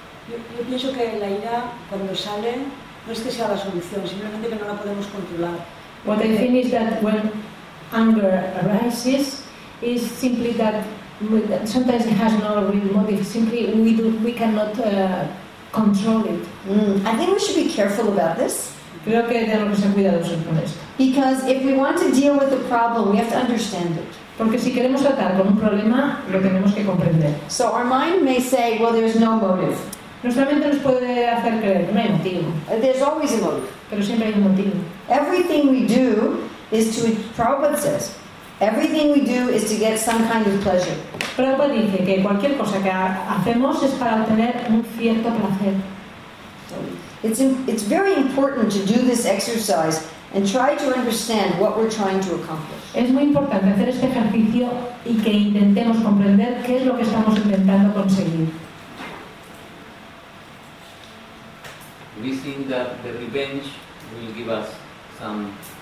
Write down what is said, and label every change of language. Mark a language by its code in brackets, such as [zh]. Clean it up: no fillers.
[es] Yo pienso que la ira cuando sale no es que sea la solución, simplemente que no la podemos controlar. [en] What I think is that when anger arises is simply that sometimes it has no real motive. Simply, we cannot control it. I think we should be careful about this. [es] Creo que tenemos que ser cuidadosos con esto. [en] Because if we want to deal with the problem, we have to understand it. [es] Porque si queremos tratar con un problema, lo tenemos que comprender. [en] So our mind may say, well, there's no motive. [es] Nuestra mente nos puede hacer creer, no hay motivo. [en] There's always a motive. [es] Pero siempre hay un motivo. [en] Everything we do is to, Prabhupada says. Everything we do is to get some kind of pleasure. [es] Prabhupada dice que cualquier cosa que hacemos es para obtener un cierto placer. [en] It's very important to do this exercise and try to understand what we're trying to accomplish. [es] Es muy importante hacer este ejercicio y que intentemos comprender qué es lo que estamos intentando conseguir. [en] We think that the revenge will give us some